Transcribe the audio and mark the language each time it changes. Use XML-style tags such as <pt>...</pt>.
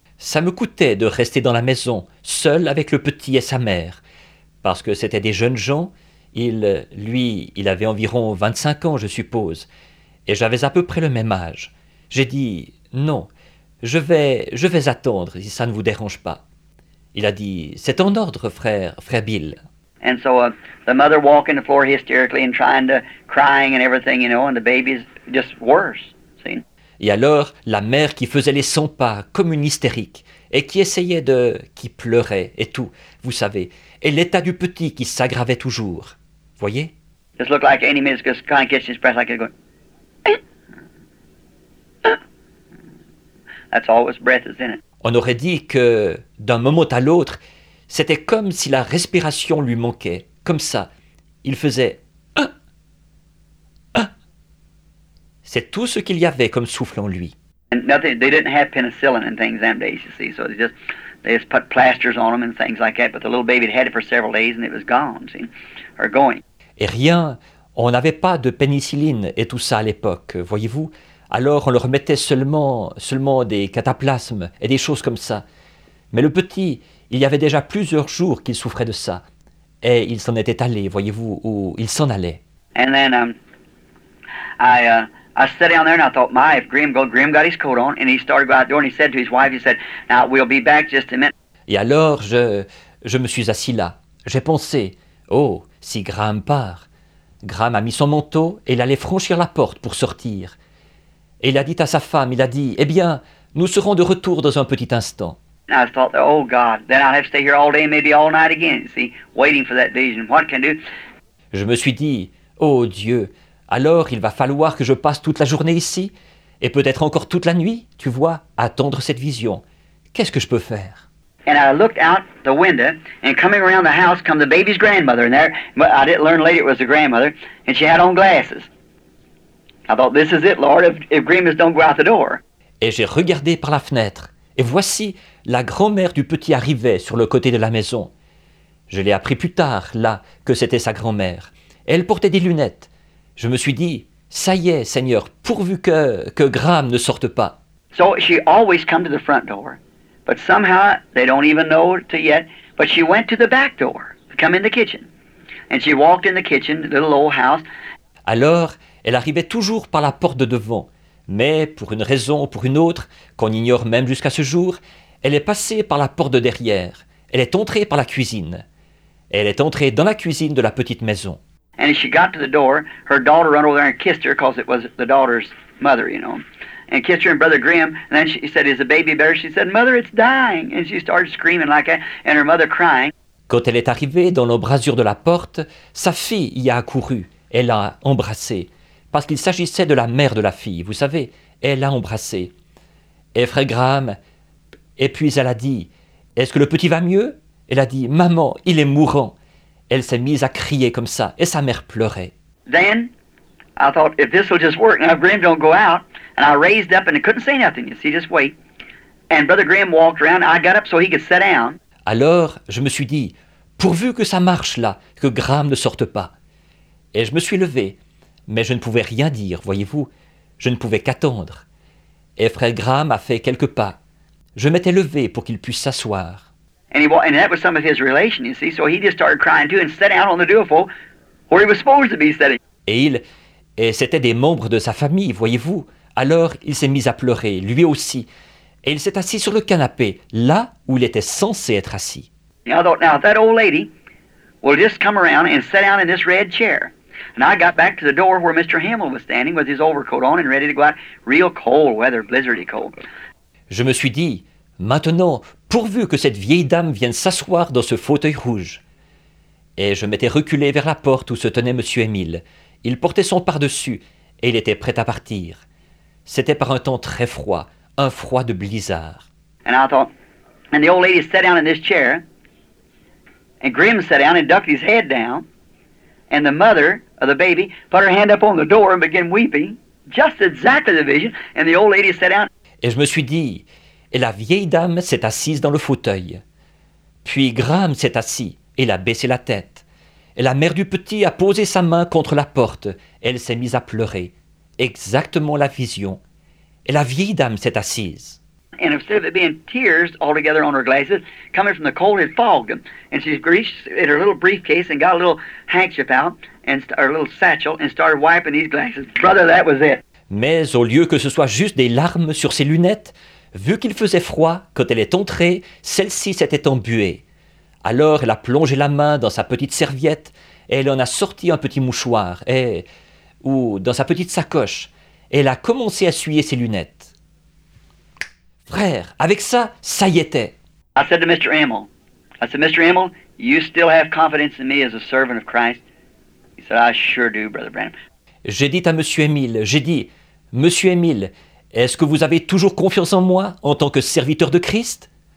<fr>Ça me coûtait de rester dans la maison, seul avec le petit et sa mère, parce que c'était des jeunes gens. Il avait environ 25 ans, je suppose, et j'avais à peu près le même âge. J'ai dit, non, je vais attendre, si ça ne vous dérange pas. Il a dit, c'est en ordre, frère Bill.</fr> <en>And so the mother walking the floor hysterically and trying to crying and everything, you know, and the baby's just worse. See?</en> <fr>Et alors la mère qui faisait les 100 pas comme une hystérique et qui essayait de qui pleurait et tout, vous savez, et l'état du petit qui s'aggravait toujours. Voyez?</fr> <en>Just look like any minute just kind of catch his breath like he's going. That's all his breath is in it.</en> <fr>On aurait dit que, d'un moment à l'autre, c'était comme si la respiration lui manquait. Comme ça, il faisait un, un. C'est tout ce qu'il y avait comme souffle en lui.</fr> <en>They didn't have penicillin and things them days, you see, so they just put plasters on them and things like that, but the little baby had had it for several days and it was gone, see, or going.</en> <fr>Et rien, on n'avait pas de pénicilline et tout ça à l'époque, voyez-vous. Alors on leur mettait seulement des cataplasmes et des choses comme ça. Mais le petit, il y avait déjà plusieurs jours qu'il souffrait de ça. Et il s'en était allé, voyez-vous, ou il s'en allait.</fr> <en>And then, I sat down there and I thought, my, if Graham got his coat on, and he started to go out the door and he said to his wife, he said, now we'll be back just a minute.</en> <fr>Et alors, je me suis assis là. J'ai pensé, oh, si Graham part. Graham a mis son manteau et il allait franchir la porte pour sortir. Et il a dit à sa femme, il a dit, eh bien, nous serons de retour dans un petit instant.</fr> <en>And I thought, oh God, then I'll have to stay here all day, maybe all night again, see, waiting for that vision. What can I do?</en> <fr>Je me suis dit, oh Dieu, alors il va falloir que je passe toute la journée ici, et peut-être encore toute la nuit, tu vois, attendre cette vision. Qu'est-ce que je peux faire?</fr> <en>And I looked out the window, and coming around the house come the baby's grandmother in there, but I didn't learn later it was the grandmother, and she had on glasses. I thought, this is it, Lord, if Grimms don't go out the door.</en> <fr>Et j'ai regardé par la fenêtre, et voici, la grand-mère du petit arrivait sur le côté de la maison. Je l'ai appris plus tard, là, que c'était sa grand-mère. Et elle portait des lunettes. Je me suis dit, ça y est, Seigneur, pourvu que Graham ne sorte pas.</fr> <en>So she always come to the front door, but somehow they don't even know it yet, but she went to the back door, come in the kitchen. And she walked in the kitchen, the little old house.</en> <fr>Alors, elle arrivait toujours par la porte de devant, mais pour une raison ou pour une autre, qu'on ignore même jusqu'à ce jour, elle est passée par la porte de derrière. Elle est entrée par la cuisine. Elle est entrée dans la cuisine de la petite maison.</fr> <en>And as she got to the door, her daughter ran over there and kissed her, because it was the daughter's mother, you know, and kissed her and Brother Graham, and then she said, is the baby better? She said, Mother, it's dying! And she started screaming like that, and her mother crying.</en> <fr>Quand elle est arrivée dans l'embrasure de la porte, sa fille y a accouru. Elle l'a embrassée, parce qu'il s'agissait de la mère de la fille, vous savez. Elle l'a embrassée. Et Frère Graham, et puis elle a dit, est-ce que le petit va mieux? Elle a dit, Maman, il est mourant. Elle s'est mise à crier comme ça, et sa mère pleurait.</fr> <en>Then, I thought, if this will just work, now Graham don't go out, and I raised up and I couldn't say nothing, you see, just wait. And Brother Graham walked around, I got up so he could sit down.</en> <fr>Alors, je me suis dit, pourvu que ça marche là, que Graham ne sorte pas. Et je me suis levé, mais je ne pouvais rien dire, voyez-vous, je ne pouvais qu'attendre. Et Frère Graham a fait quelques pas. Je m'étais levé pour qu'il puisse s'asseoir.</fr> <en>And that was some of his relation, you see. So he just started crying too and sat down on the duffel where he was supposed to be sitting.</en> <fr>Et c'était des membres de sa famille, voyez-vous. Alors il s'est mis à pleurer, lui aussi. Et il s'est assis sur le canapé, là où il était censé être assis.</fr> <en>And I thought, now that old lady will just come around and sit down in this red chair. And I got back to the door where Mr. Hamill was standing with his overcoat on and ready to go out. Real cold weather, blizzardy cold.</en> <fr>Je me suis dit, maintenant, pourvu que cette vieille dame vienne s'asseoir dans ce fauteuil rouge. Et je m'étais reculé vers la porte où se tenait M. Émile. Il portait son pardessus et il était prêt à partir. C'était par un temps très froid, un froid de blizzard.</fr> <en>And I thought, and the old lady sat down in this chair, and Grimm sat down and ducked his head down, and the mother of the baby put her hand up on the door and began weeping, just exactly the vision, and the old lady sat down.</en> <fr>Et je me suis dit, et la vieille dame s'est assise dans le fauteuil. Puis Graham s'est assis et il a baissé la tête. Et la mère du petit a posé sa main contre la porte. Elle s'est mise à pleurer. Exactement la vision. Et la vieille dame s'est assise.</fr> <en>And instead of it being tears altogether on her glasses, coming from the cold, it fogged them. And she reached in her little briefcase and got a little handkerchief out, and her little satchel, and started wiping these glasses. Brother, that was it.</en> <fr>Mais au lieu que ce soit juste des larmes sur ses lunettes, vu qu'il faisait froid, quand elle est entrée, celle-ci s'était embuée. Alors elle a plongé la main dans sa petite serviette et elle en a sorti un petit mouchoir et, ou dans sa petite sacoche. Et elle a commencé à essuyer ses lunettes. Frère, avec ça, ça y était.</fr> <en>I said to Mr. Emil, I said, Mr. Emil, you still have confidence in me as a servant of Christ? He said, I sure do, Brother Branham.</en> <fr>J'ai dit à M. Émile, j'ai dit, « Monsieur Émile, Est-ce que vous avez toujours confiance en moi en tant que serviteur de Christ?</fr>